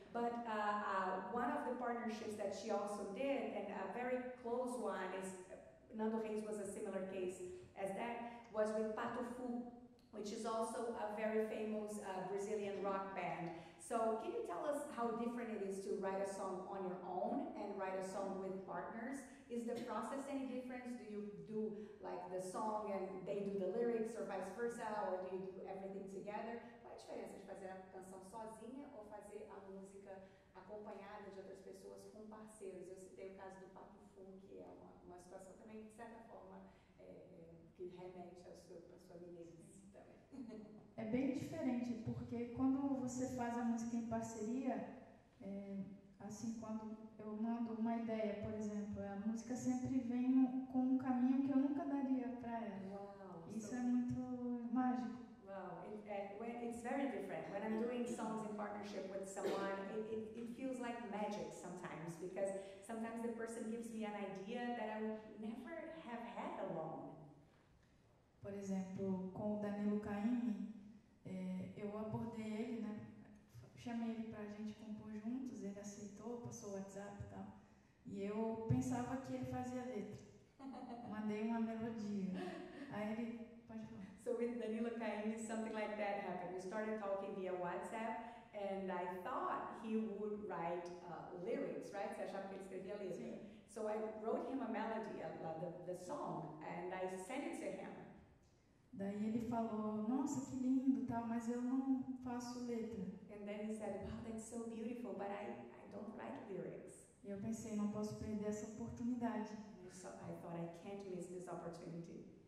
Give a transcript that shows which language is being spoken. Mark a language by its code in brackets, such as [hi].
[en] But one of the partnerships that she also did, and a very close one, is Nando Reis was a similar case as that, was with Pato Fu, which is also a very famous Brazilian rock band. So can you tell us how different it is to write a song on your own and write a song with partners? Is the process any different? Do you do like the song and they do the lyrics or vice versa? Or do you do everything together? [pt] Qual é a diferença de fazer a canção sozinha ou fazer a música acompanhada de outras pessoas com parceiros? Eu citei o caso do Papo Fum, que é uma situação também, de certa forma, que remete à sua, sua menina também. É bem diferente, porque quando você faz a música em parceria, é, assim, quando eu mando uma ideia, por exemplo, a música sempre vem no, com um caminho que eu nunca daria para ela. Uau, isso é muito mágico. [en] It's very different. When I'm doing songs in partnership with someone, it feels like magic sometimes, because sometimes the person gives me an idea that I would never have had alone. [pt] Por exemplo, com o Danilo Caymmi, eu abordei ele, né? Chamei ele para a gente compor juntos, ele aceitou, passou o WhatsApp e tal. E eu pensava que ele fazia letra. Mandei uma melodia. Aí ele... [en] So with Danilo Caymmi, something like that happened. We started talking via WhatsApp, and I thought he would write lyrics, right? So I wrote him a melody, the song, and I sent it to him. [pt] Daí ele falou, nossa, que lindo, tá? Mas eu não faço letra. [en] And then he said, wow, that's so beautiful, but I don't write lyrics. [pt] E eu pensei, não posso perder essa oportunidade. [en] So I thought, I can't miss this opportunity.